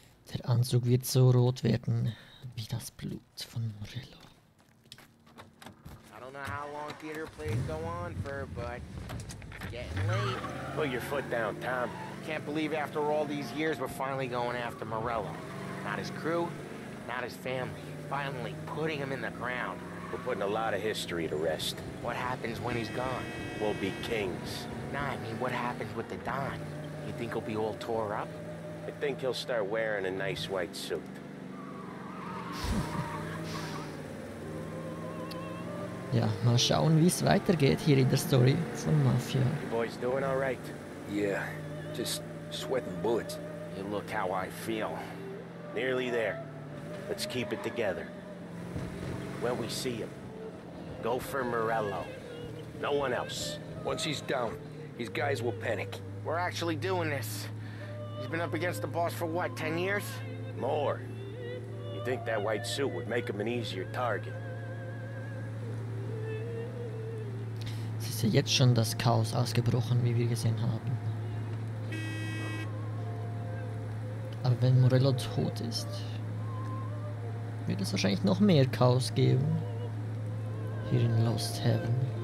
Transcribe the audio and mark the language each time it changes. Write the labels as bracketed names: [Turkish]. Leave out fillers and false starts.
[German] Der Anzug wird so rot werden wie das Blut von Morello. [English] I don't know how long theater plays go on for, but getting late. Put your foot down, Tom. Can't believe after all these years we're finally going after Morello. Not his crew, not his family. Finally putting him in the ground. We're putting a lot of history to rest. What happens when he's gone? We'll be kings. Nah, I mean, what happens with the Don? You think he'll be all tore up? I think he'll start wearing a nice white suit. [German] Ja, mal schauen, wie es weitergeht hier in der Story von Mafia. [English] You boys doing all right? Yeah. Just sweating bullets. You look how I feel. Nearly there. Let's keep it together. When we see him, go for Morello. No one else. Once he's down, his guys will panic. We're actually doing this. He's been up against the boss for what, 10 years? More. You think that white suit would make him an easier target? [German] Es ist ja jetzt schon das Chaos ausgebrochen, wie wir gesehen haben. Aber wenn Morello tot ist, wird es wahrscheinlich noch mehr Chaos geben. Hier in Lost Heaven.